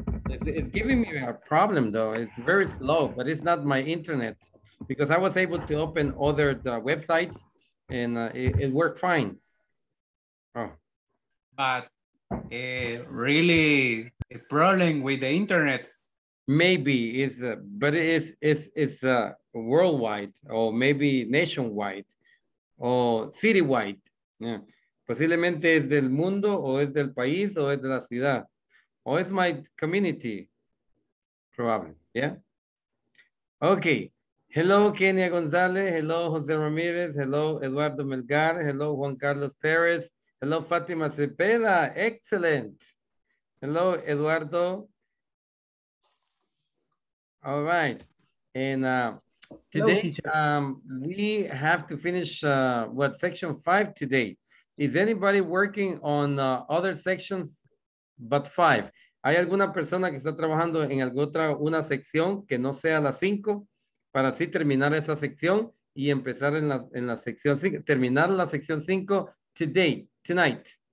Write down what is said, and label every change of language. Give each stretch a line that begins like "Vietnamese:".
English: It's giving me a problem, though. It's very slow, but it's not my internet because I was able to open other websites and it worked fine. Oh. But really a problem with the internet? Maybe, it's worldwide or maybe nationwide or citywide. Yeah.
Spanish: Posiblemente es del mundo o es del país o es de la ciudad.
English: O es my community. Probably, yeah? Okay. Hello, Kenia Gonzalez. Hello, Jose Ramirez. Hello, Eduardo Melgar. Hello, Juan Carlos Perez. Hello, Fatima Cepeda. Excellent. Hello, Eduardo. All right. And today, we have to finish, section 5 today. Is anybody working on other sections but 5?
Spanish: ¿Hay alguna persona que está trabajando en alguna otra una sección que no sea la 5 para así terminar esa sección y empezar en la sección 5, terminar la sección 5 today, tonight?